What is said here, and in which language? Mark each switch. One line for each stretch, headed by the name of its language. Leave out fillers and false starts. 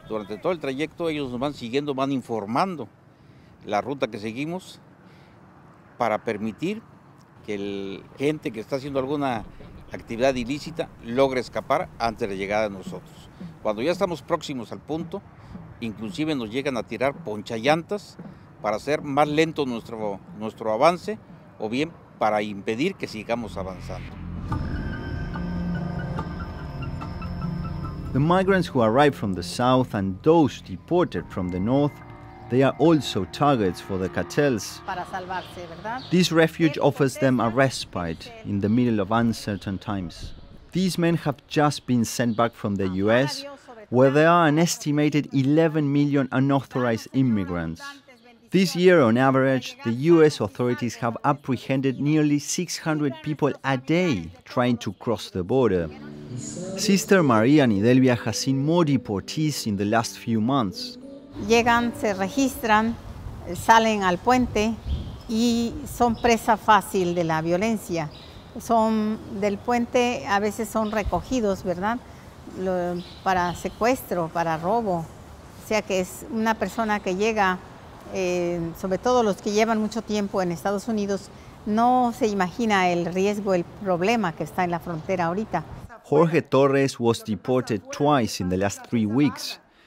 Spanish: Durante todo el trayecto ellos nos van siguiendo, van informando la ruta que seguimos para permitir que el gente que está haciendo alguna actividad ilícita logre escapar antes de la llegada de nosotros. Cuando ya estamos próximos al punto, inclusive nos llegan a tirar ponchallantas para hacer más lento nuestro avance o bien para impedir que sigamos avanzando.
English: The migrants who arrive from the south and those deported from the north, they are also targets for the cartels.
Spanish: Para salvarse, ¿verdad?
English: This refuge offers them a respite in the middle of uncertain times. These men have just been sent back from the US, where there are an estimated 11 million unauthorized immigrants. This year, on average, the US authorities have apprehended nearly 600 people a day trying to cross the border. Sister Maria Nidelvia has seen more deportees in the last few months.
Spanish: Llegan, se registran, salen al puente y son presa fácil de la violencia. Son del puente, a veces son recogidos, ¿verdad? Para secuestro, para robo. O sea que es una persona que llega, sobre todo los que llevan mucho tiempo en Estados Unidos, no se imagina el riesgo, el problema que está en la frontera ahorita.
English: Jorge Torres was deported twice in the last 3 weeks.